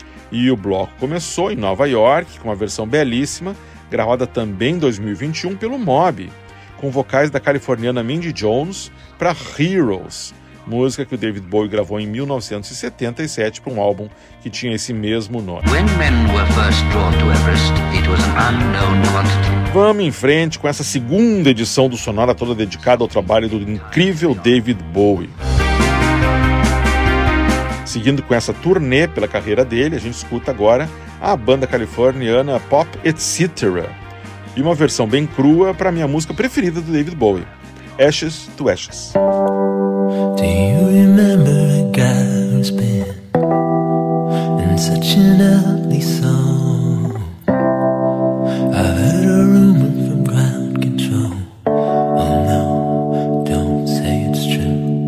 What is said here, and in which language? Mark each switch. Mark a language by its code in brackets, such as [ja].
[pt] E o bloco começou em Nova York, com uma versão belíssima, gravada também em 2021 pelo Mob, com vocais da californiana Mindy Jones para Heroes, música que o David Bowie gravou em 1977 para um álbum que tinha esse mesmo nome. [en] When men were first drawn to Everest, it was an unknown quantity. [pt] Vamos em frente com essa segunda edição do Sonora, toda dedicada ao trabalho do incrível David Bowie. Seguindo com essa turnê pela carreira dele, a gente escuta agora a banda californiana Pop Etc. E uma versão bem crua para a minha música preferida do David Bowie, Ashes to Ashes. [en] Do you remember a guy who's been in such an ugly song? I heard a rumor from ground control. Oh no, don't say it's true.